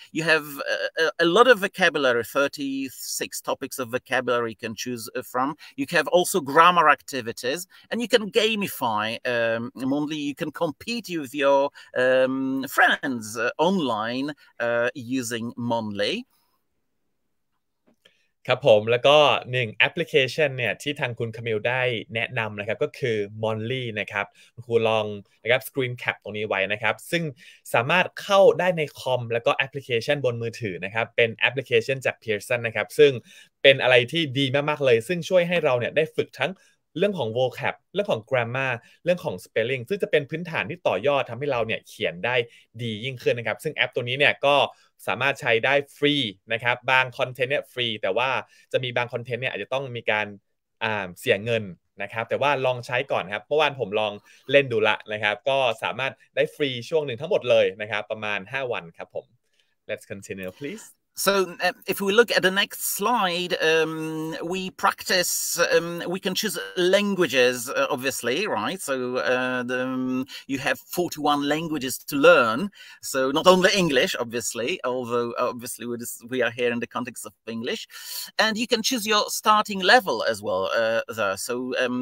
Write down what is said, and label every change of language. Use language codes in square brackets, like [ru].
[en] You have a lot of vocabulary, 36 topics of vocabulary you can choose. From you have also grammar activities, and you can gamify Mondly. You can compete with your friends online using Mondly. [th] ครับผมแล้วก็หนึ่งแอปพลิเคชันเนี่ยที่ทางคุณคามิลได้แนะนำนะครับก็คือ Mondly นะครับคุณลองนะครับสกรีนแคปตรงนี้ไว้นะครับซึ่งสามารถเข้าได้ในคอมแล้วก็แอปพลิเคชันบนมือถือนะครับเป็นแอปพลิเคชันจาก Pearson นะครับซึ่งเป็นอะไรที่ดีมากๆเลยซึ่งช่วยให้เราเนี่ยได้ฝึกทั้งเรื่องของ vocab เรื่องของ grammar เรื่องของ spelling ซึ่งจะเป็นพื้นฐานที่ต่อยอดทำให้เราเนี่ยเขียนได้ดียิ่งขึ้นนะครับซึ่งแอปตัวนี้เนี่ยก็ สามารถใช้ได้ฟรีนะครับบางคอนเทนต์เนี่ยฟรีแต่ว่าจะมีบางคอนเทนต์เนี่ยอาจจะต้องมีการเสียเงินนะครับแต่ว่าลองใช้ก่อนครับเมื่อวานผมลองเล่นดูละนะครับก็สามารถได้ฟรีช่วงหนึ่งทั้งหมดเลยนะครับประมาณ5วันครับผม [en] Let's continue please So if we look at the next slide we practice we can choose languages obviously right so you have 41 languages to learn so not only English obviously although obviously we are here in the context of English and you can choose your starting level as well there so